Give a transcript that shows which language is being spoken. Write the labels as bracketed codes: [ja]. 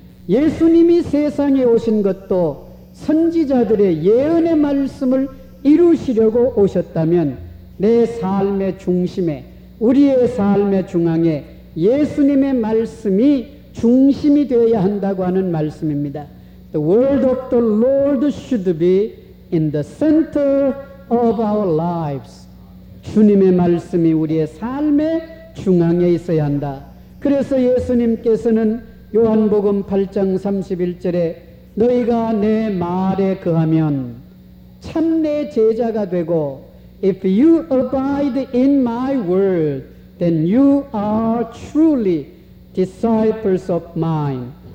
[ko] 예수님이 세상에 오신 것도 선지자들의 예언의 말씀을 이루시려고 오셨다면 내 삶의 중심에, 우리의 삶의 중앙에 예수님의 말씀이 중심이 되어야 한다고 하는 말씀입니다. [en] The word of the Lord should be in the center of our lives. [ko] 주님의 말씀이 우리의 삶의 중앙에 있어야 한다. 그래서 예수님께서는 요한복음 8장 31절에 너희가 내 말에 거하면 참 내 제자가 되고 [en] If you abide in my word, then you are truly disciples of mine.